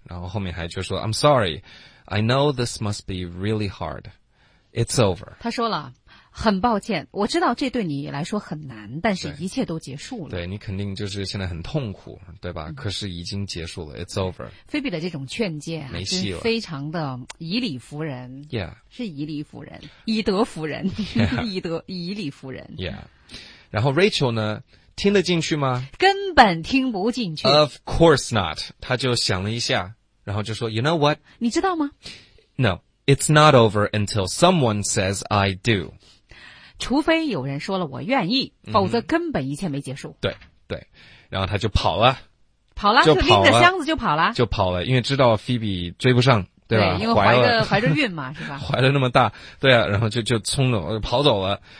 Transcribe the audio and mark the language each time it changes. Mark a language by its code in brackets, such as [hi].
[zh] 然后后面还就说 [en] I'm sorry, I know this must be really hard. It's over. [zh] 他说了，很抱歉，我知道这对你来说很难，但是一切都结束了。对，你肯定就是现在很痛苦，对吧？可是已经结束了。 [en] It's over. [zh] 菲比的这种劝诫、没戏了，非常的以理服人。 [en] Yeah. [zh] 是以理服人，以德服人。 [en] Yeah. [zh] 以理服人。 [en] Yeah. [zh] 然后 Rachel 呢，听得进去吗？根本听不进去。 [en] Of course not. [zh] 他就想了一下，然后就说 [en] You know what? [zh] 你知道吗 [en] No. It's not over until someone says I do. [zh] 除非有人说了我愿意，否则根本一切没结束。对对，然后他就跑了，跑了，就拎着箱子就跑了，就跑了，因为知道菲比追不上，对吧？对，因为怀着孕嘛，是吧？怀了那么大，对啊，然后就冲走跑走了。